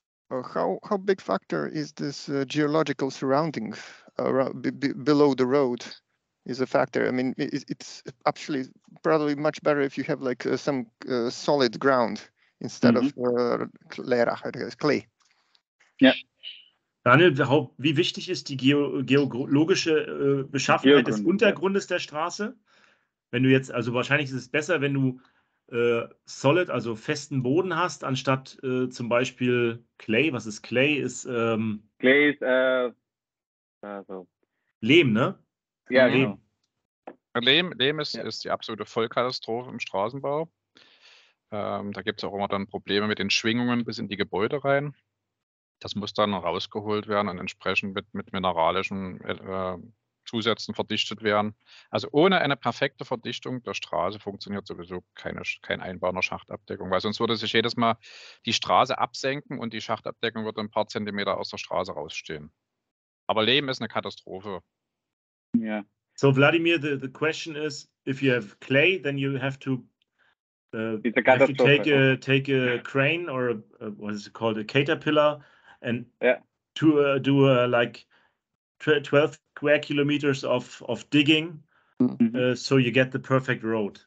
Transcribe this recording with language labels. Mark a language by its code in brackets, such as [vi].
[en] How big factor is this geological surrounding below the road? Is a factor. I mean, it's actually probably much better if you have like some solid ground instead of clay. Yeah. [de] Daniel, wie wichtig ist die geologische Beschaffenheit des Untergrundes der Straße? Wenn du jetzt, also wahrscheinlich ist es besser, wenn du solid, also festen Boden hast, anstatt zum Beispiel Clay. Was ist Clay? Ist Clay ist Lehm, ne? Ja, genau. Lehm ist die absolute Vollkatastrophe im Straßenbau. Da gibt es auch immer dann Probleme mit den Schwingungen bis in die Gebäude rein. Das muss dann rausgeholt werden und entsprechend mit mineralischen Zusätzen verdichtet werden. Also ohne eine perfekte Verdichtung der Straße funktioniert sowieso kein Einbau einer Schachtabdeckung, weil sonst würde sich jedes Mal die Straße absenken und die Schachtabdeckung würde ein paar Zentimeter aus der Straße rausstehen. Aber Lehm ist eine Katastrophe. [en] Yeah. So Vladimir, the question is, if you have clay, then you have to take a crane or what is it called, a caterpillar, and do 12 square kilometers of digging, so you get the perfect road.